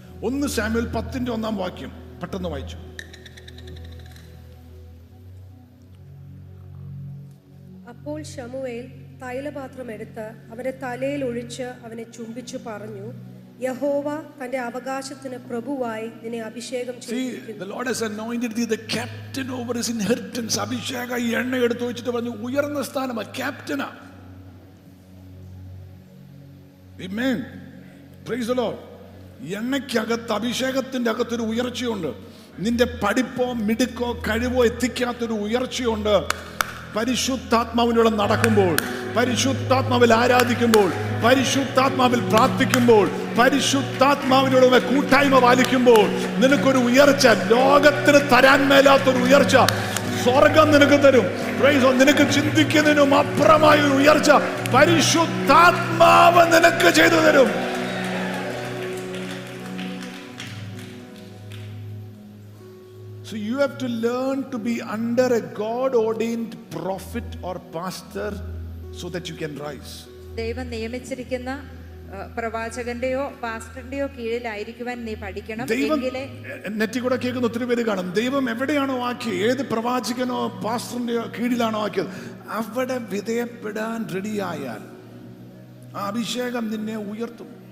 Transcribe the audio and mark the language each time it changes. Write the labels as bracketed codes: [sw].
[ml] 1 Samuel 10:1 പെട്ടെന്ന് വായിച്ചു. അപ്പോൾ ശമുവേൽ തൈലപാത്രം എടുത്ത് അവരെ തലയിൽ ഒഴിച്ച് അവനെ ചുംബിച്ചു പറഞ്ഞു, യഹോവ തന്റെ അവകാശത്തിന് പ്രഭുവായി നിന്നെ അഭിഷേകം ചെയ്തിരിക്കുന്നു. [en] See, the Lord has anointed thee the captain over his inheritance. [ml] അഭിഷേക എണ്ണ എടുത്തു വെച്ചിട്ട് പറഞ്ഞു, ഉയർന്ന സ്ഥാനം ക്യാപ്റ്റനാ. [en] Amen. Praise the Lord. [ml] എണ്ണയ്ക്കകത്ത് അഭിഷേകത്തിന്റെ അകത്തൊരു ഉയർച്ചയുണ്ട്. നിന്റെ പഠിപ്പോ മിടുക്കോ കഴിവോ എത്തിക്കാത്തൊരു ഉയർച്ചയുണ്ട്. പരിശുദ്ധാത്മാവിനോട് നടക്കുമ്പോൾ, പരിശുദ്ധാത്മാവിൽ ആരാധിക്കുമ്പോൾ, പരിശുദ്ധാത്മാവിൽ പ്രാർത്ഥിക്കുമ്പോൾ, പരിശുദ്ധാത്മാവിനോട് കൂട്ടായ്മ പാലിക്കുമ്പോൾ നിനക്കൊരു ഉയർച്ച, ലോകത്തിന് തരാൻ മേലാത്തൊരു ഉയർച്ച സ്വർഗം നിനക്ക് തരും. പ്രൈസ്. നിനക്ക് ചിന്തിക്കുന്നതിനും അപ്പുറമായ ഒരു ഉയർച്ച പരിശുദ്ധാത്മാവ് നിനക്ക് ചെയ്തു തരും. [en] So you have to learn to be under a God ordained prophet or pastor so that you can rise. [ml] ദൈവം നിയമിച്ചിരിക്കുന്ന പ്രവാചകന്റെയോ പാസ്റ്ററിന്റെയോ കീഴിലായിരിക്കുവാൻ നീ പഠിക്കണം. നെറ്റി കൂടെ കേൾക്കുന്ന ഒത്തിരി പേര് കാണും, ദൈവം എവിടെയാണോ ആക്കിയത്, ഏത് പ്രവാചകനോ പാസ്റ്ററിന്റെയോ കീഴിലാണോ ആക്കിയത്, അവിടെ വിധേയപ്പെടാൻ റെഡിയായാൽ ആ അഭിഷേകം നിന്നെ ഉയർത്തും.